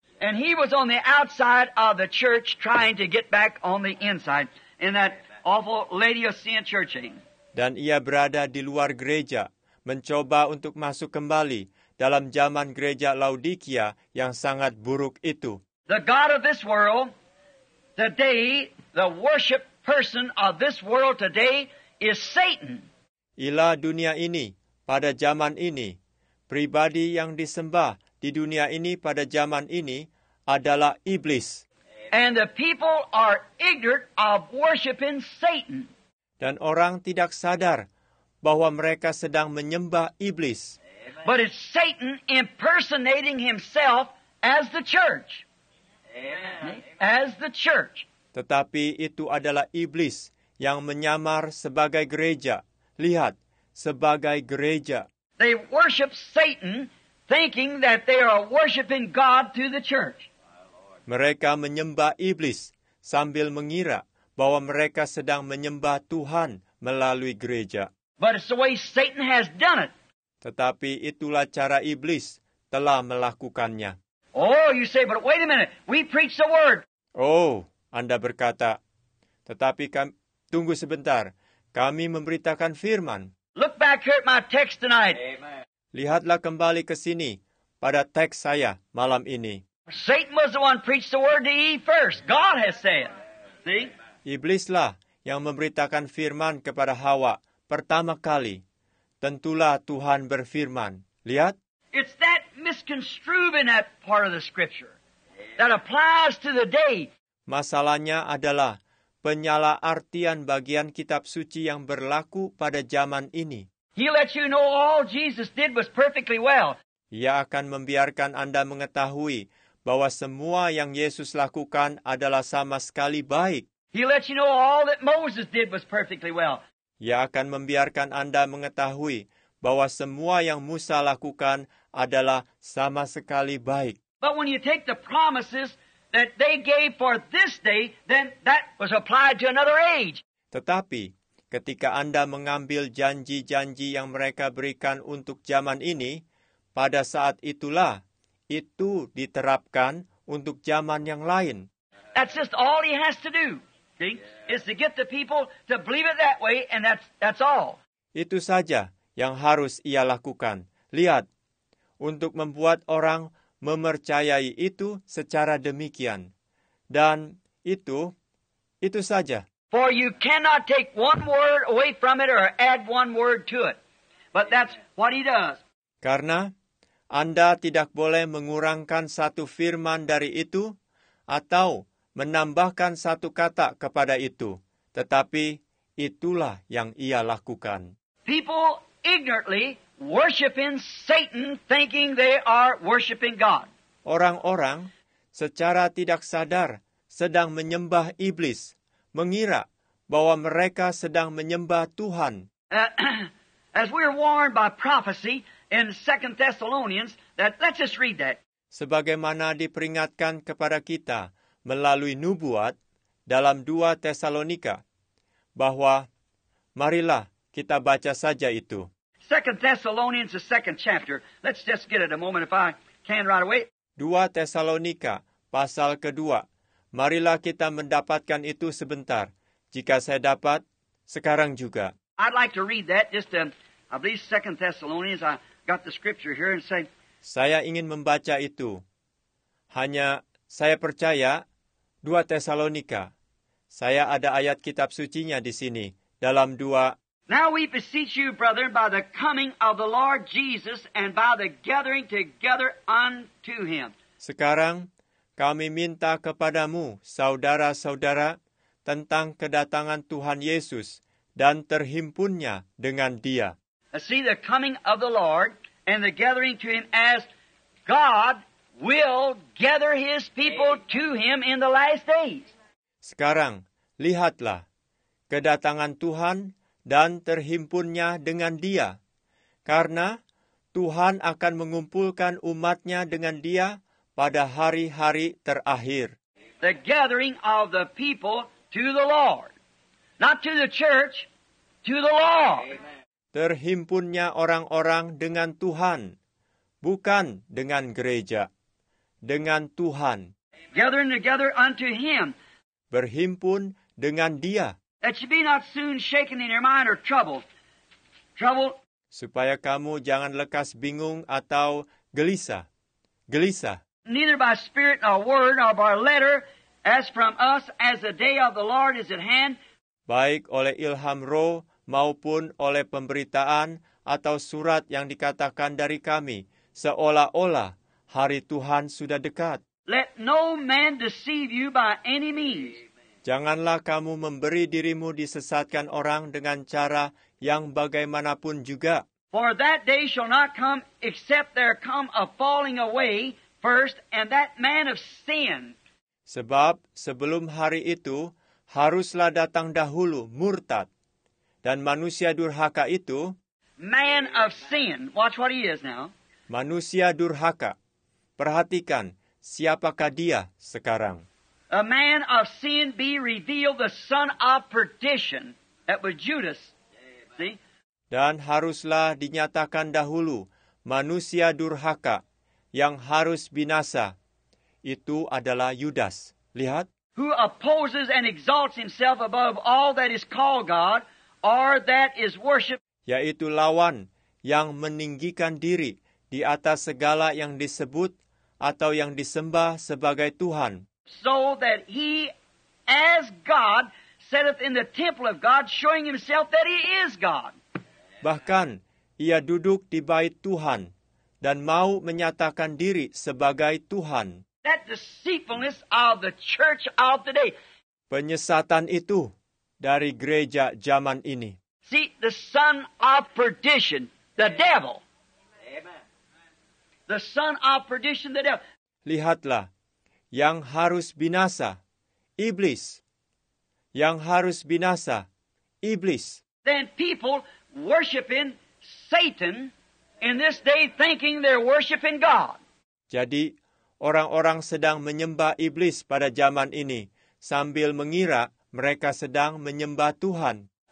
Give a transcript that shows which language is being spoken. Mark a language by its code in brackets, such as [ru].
[en] And he was on the outside of the church trying to get back on the inside in that awful Laodicean church. [id] Dan ia berada di luar gereja, mencoba untuk masuk kembali dalam zaman gereja Laodikia yang sangat buruk itu. [en] The god of this world, today, the worship person of this world today is Satan. [id] Ilah dunia ini, pada zaman ini, pribadi yang disembah di dunia ini pada zaman ini adalah iblis. [en] And the people are ignorant of worshiping Satan. [id] Dan orang tidak sadar bahwa mereka sedang menyembah iblis. [en] But it's Satan impersonating himself as the church. As the church. [id] Tetapi itu adalah iblis yang menyamar sebagai gereja. Lihat, sebagai gereja. [en] They worship Satan thinking that they are worshiping God through the church. [id] Mereka menyembah iblis sambil mengira bahwa mereka sedang menyembah Tuhan melalui gereja. [en] But it's the way Satan has done it. [id] Tetapi itulah cara iblis telah melakukannya. [en] Oh, you say, but wait a minute. We preach the word. [id] Oh, Anda berkata, tetapi tunggu sebentar. Kami memberitakan firman. [en] Look back here at my text tonight. Amen. [id] Lihatlah kembali ke sini pada teks saya malam ini. [en] Satan was the one preached the word to Eve first. God has said. See? [id] Iblislah yang memberitakan firman kepada Hawa pertama kali. Tentulah Tuhan berfirman. Lihat. [en] It's that misconstrued in that part of the scripture that applies to the day. [id] Masalahnya adalah penyalahartian bagian kitab suci yang berlaku pada zaman ini. [en] He let you know all Jesus did was perfectly well. [id] Ia akan membiarkan Anda mengetahui bahwa semua yang Yesus lakukan adalah sama sekali baik. [en] He let you know all that Moses did was perfectly well. [id] Ia akan membiarkan Anda mengetahui bahwa semua yang Musa lakukan adalah sama sekali baik. [en] But when you take the promises that they gave for this day, then that was applied to another age. [id] Tetapi ketika Anda mengambil janji-janji yang mereka berikan untuk zaman ini, pada saat itulah itu diterapkan untuk zaman yang lain. [en] That's just all he has to do. Yeah. Is to get the people to believe it that way, and that's all. [id] Itu saja yang harus ia lakukan. Lihat, untuk membuat orang memercayai itu secara demikian. Dan itu saja. [en] For you cannot take one word away from it or add one word to it. But that's what he does. [id] Karena Anda tidak boleh mengurangkan satu firman dari itu atau menambahkan satu kata kepada itu. Tetapi itulah yang ia lakukan. [en] People ignorantly worshiping Satan thinking they are worshiping God. [id] Orang-orang secara tidak sadar sedang menyembah iblis, mengira bahwa mereka sedang menyembah Tuhan. [en] As we are warned by prophecy in 2 Thessalonians, that let's just read that. [id] Sebagaimana diperingatkan kepada kita melalui nubuat dalam 2 Tesalonika, bahwa marilah kita baca saja itu. [en] 2 Thessalonians, the second chapter. Let's just get it a moment if I can right away. [id] 2 Tesalonika, pasal kedua. Marilah kita mendapatkan itu sebentar. Jika saya dapat, sekarang juga. [en] I'd like to read that just in, I believe 2 Thessalonians. I got the scripture here and say. [id] Saya ingin membaca itu. Hanya saya percaya 2 Tesalonika. Saya ada ayat kitab sucinya di sini. Dalam 2. [en] Now we beseech you, brethren, by the coming of the Lord Jesus and by the gathering together unto him. [id] Sekarang, kami minta kepadamu, saudara-saudara, tentang kedatangan Tuhan Yesus dan terhimpunnya dengan dia. [en] See, the coming of the Lord and the gathering to him as God will gather his people to him in the last days. [id] Sekarang, lihatlah, kedatangan Tuhan dan terhimpunnya dengan dia. Karena Tuhan akan mengumpulkan umatnya dengan dia pada hari-hari terakhir. [en] The gathering of the people to the Lord. Not to the church, to the Lord. [id] Terhimpunnya orang-orang dengan Tuhan, bukan dengan gereja, dengan Tuhan. [en] Gathering together unto Him. [id] Berhimpun dengan Dia. [en] That you be not soon shaken in your mind or troubled. Troubled. [id] Supaya kamu jangan lekas bingung atau gelisah. Gelisah. [en] Neither by spirit nor word nor by letter, as from us, as the day of the Lord is at hand. [id] Baik oleh ilham roh maupun oleh pemberitaan atau surat yang dikatakan dari kami, seolah-olah hari Tuhan sudah dekat. [en] Let no man deceive you by any means. [id] Janganlah kamu memberi dirimu disesatkan orang dengan cara yang bagaimanapun juga. [en] For that day shall not come except there come a falling away first, and that man of sin. [id] Sebab sebelum hari itu, haruslah datang dahulu murtad. Dan manusia durhaka itu. [en] Man of sin. Watch what he is now. [id] Manusia durhaka. Perhatikan siapakah dia sekarang. [en] A man of sin be revealed, the son of perdition. That was Judas. See? [id] Dan haruslah dinyatakan dahulu manusia durhaka yang harus binasa. Itu adalah Yudas. Lihat. [en] Who opposes and exalts himself above all that is called God or that is worshipped. [id] Yaitu lawan yang meninggikan diri di atas segala yang disebut atau yang disembah sebagai Tuhan. [en] So that he, as God, setteth in the temple of God, showing himself that he is God. [id] Bahkan, ia duduk di bait Tuhan dan mau menyatakan diri sebagai Tuhan. [en] That deceitfulness of the church of today. [id] Penyesatan itu dari gereja zaman ini. [en] See, the son of perdition, the devil. Amen. The son of perdition, the devil. [id] Lihatlah, yang harus binasa, iblis. Yang harus binasa, iblis. [en] Then people worshiping Satan in this day thinking they're worshiping God. [id] Jadi, orang-orang sedang menyembah iblis pada zaman ini sambil mengira mereka sedang menyembah Tuhan.